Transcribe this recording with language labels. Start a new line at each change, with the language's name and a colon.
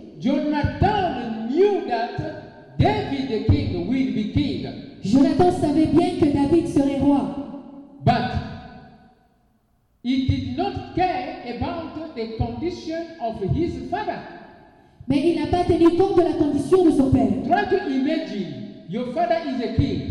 English: Jonathan knew that David the king will be king.
French: Jonathan savait bien que David serait roi.
English: But he did not care about the condition of his father.
French: Mais il n'a pas tenu compte de la condition de son père.
English: Try to imagine your father is a king.